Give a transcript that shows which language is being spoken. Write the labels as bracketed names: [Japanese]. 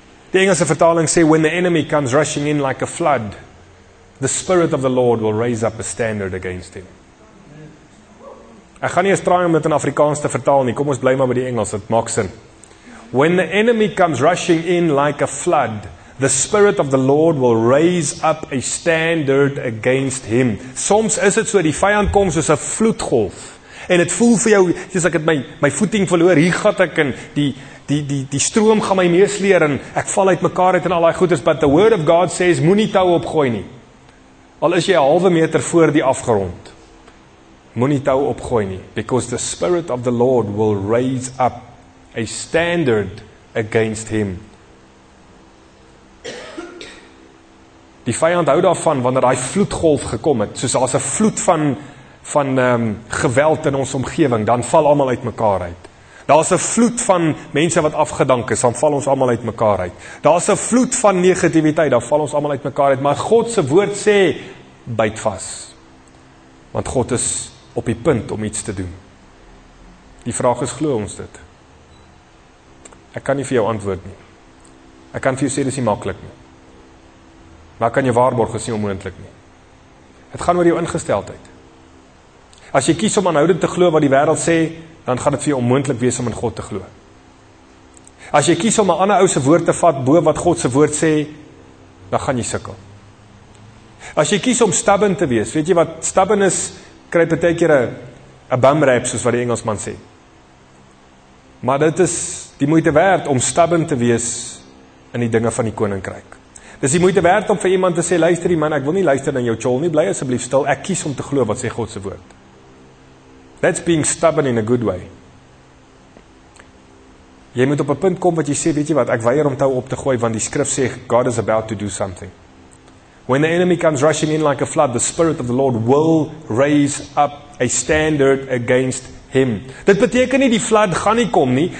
[Afrikaans] Die Engelse vertaling sê, [English] when the enemy comes rushing in like a flood, the spirit of the Lord will raise up a standard against him. [Afrikaans] Ek gaan nie eens traai om dit in Afrikaans te vertaal nie. Kom ons bly maar by die Engels, dit maak sin. [English] When the enemy comes rushing in like a flood, the spirit of the Lord will raise up a standard against him. [Afrikaans] Soms is dit so, die vyand kom soos 'n vloedgolf. En dit voel vir jou, soos ek het my voeting verloor, hier gat ek en die stroom gaan my meesleer en ek val uit mekaar uit en al die goeders. [English] But the word of God says, [Afrikaans] moenie tou opgooi nie. Al is jy 'n halwe meter voor die afgrond. Moenie tou opgooi nie. [English] Because the spirit of the Lord will raise up a standard against him. [Afrikaans] Die vyand hou daarvan wanneer daai vloedgolf gekom het, soos as 'n vloed van geweld in ons omgewing, dan val almal uit mekaar uit. Daar's 'n vloed van mense wat afgedank is, dan val ons almal uit mekaar uit. Daar's 'n vloed van negativiteit, dan val ons almal uit mekaar uit, maar God se woord sê byt vas. Want God is op die punt om iets te doen. Die vraag is, glo ons dit? Ek kan nie vir jou antwoord nie. Ek kan vir jou sê dis nie maklik nie. Maar kan jy waarborg is nie onmoontlik nie. Dit gaan oor jou ingesteldheid. As jy kies om aanhoudend te glo wat die wêreld sê, dan gaan dit vir jou onmoontlik wees om in God te glo. As jy kies om 'n ander ou se woord te vat bo wat God se woord sê, dan gaan jy sukkel. As jy kies om stubborn te wees, weet jy wat stubborn is, kry jy baie keer 'n bum rap soos wat die Engelsman sê. Maar dit is die moeite werd om stubborn te wees in die dinge van die koninkryk. Dis die moeite werd om vir iemand te sê, luister die man, ek wil nie luister na jou chol nie, bly asseblief stil, ek kies om te glo wat sê God se woord. [English] That's being stubborn in a good way. [Afrikaans] Jy moet op 'n punt kom wat jy sê, weet jy wat, ek weier om tou op te gooi, want die skrif sê, [English] God is about to do something. When the enemy comes rushing in like a flood, the spirit of the Lord will raise up a standard against him. [Afrikaans] Dit beteken nie die vloed gaan nie kom nie.